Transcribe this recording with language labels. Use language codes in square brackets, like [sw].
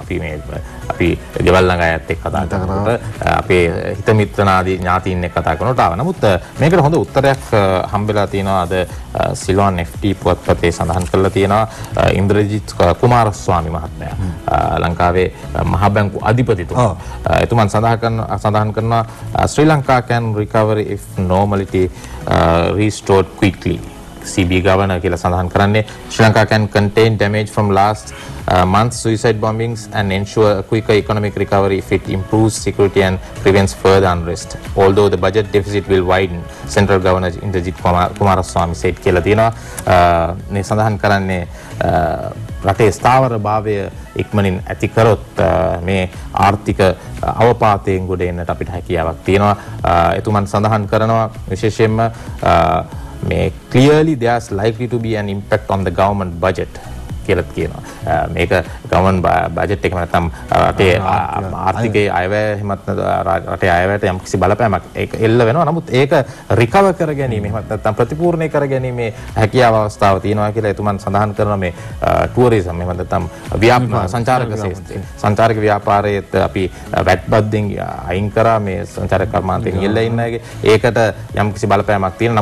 [si] අපි මේ අපි ගෙවල් ළඟ අයත් එක්ක කතා කරනකොට අපේ හිතමිත්‍රනාදී ඥාතීන් එක්ක කතා කරනකොට ආවා. නමුත් මේකට හොඳ උත්තරයක් හම්බෙලා තියෙනවා. අද සිල්වාන් FT පුවත්පතේ සඳහන් කරලා තියෙනවා ඉන්ද්‍රජිත් කුමාරස්වාමි මහත්මයා, ලංකාවේ මහා බැංකු අධිපතිතුමා. එතුමන් සඳහන් කරනවා [en] Sri Lanka can recover if normality restored quickly. CB governor [si] කියලා සඳහන් කරන්නේ [en] Sri Lanka can contain damage from last month's suicide bombings and ensure a quicker economic recovery if it improves security and prevents further unrest. Although the budget deficit will widen, central governor Indrajit Kumaraswamy said [si] කියලා තියෙනවා. මේ සඳහන් කරන්නේ රටේ ස්ථාවරභාවය ඉක්මනින් ඇති කරොත් මේ ආර්ථික අවපාතයෙන් ගොඩ එන්නට අපිට හැකියාවක් තියෙනවා. එතුමන් සඳහන් කරනවා විශේෂයෙන්ම මේ [en] clearly there's likely to be an impact on the government budget. [si] කියලාත් කියනවා. මේක ගවන් බජට් එක නැත්නම් රටේ ආර්ථිකයේ අයවැය එහෙමත් නැත්නම් රටේ අයවැයට යම් කිසි බලපෑමක් ඒක එල්ල වෙනවා. නමුත් ඒක රිකවර් කර ගැනීම එහෙමත් නැත්නම් ප්‍රතිපූර්ණේ කර ගැනීම හැකියාව අවස්ථාව තියෙනවා කියලා එතුමන් සඳහන් කරනවා. මේ ටුවරිසම් එහෙමත් නැත්නම් ව්‍යාපාර සංචාරක ක්ෂේත්‍රයේ සංචාරක ව්‍යාපාරයේත් අපි වැට් බද්දෙන් අයින් කරා මේ සංචාරක කර්මාන්තයෙන් ඉල්ලා ඉන්න එක ඒකට යම් කිසි බලපෑමක් තියෙනවා.